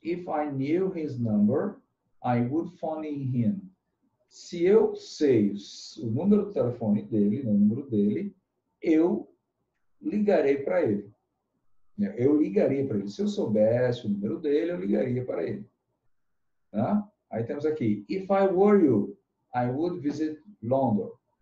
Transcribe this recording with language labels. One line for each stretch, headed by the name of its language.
English: If I knew his number, I would phone him.
Portuguese: Se eu sei o número do telefone dele, o número dele, eu ligarei para ele. Eu ligaria para ele. Se eu soubesse o número dele, eu ligaria para ele. Tá? Aí temos aqui.
English: If I were you, I would visit London.